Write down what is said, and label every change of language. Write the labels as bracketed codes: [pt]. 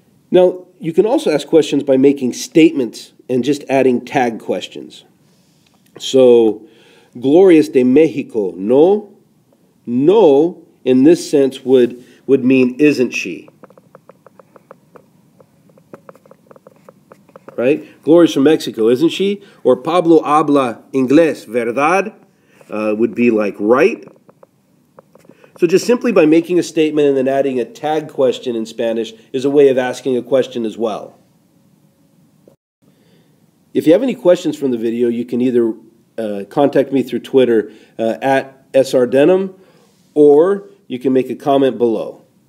[en] Now, you can also ask questions by making statements and just adding tag questions. [es] So, Glorias de México, no? [en] No, in this sense, would mean isn't she? Right? Glory's from Mexico, isn't she? [es] Or Pablo habla inglés, ¿verdad? [en] Would be like, right? So just simply by making a statement and then adding a tag question in Spanish is a way of asking a question as well. If you have any questions from the video, you can either contact me through Twitter, at srdenham, or you can make a comment below.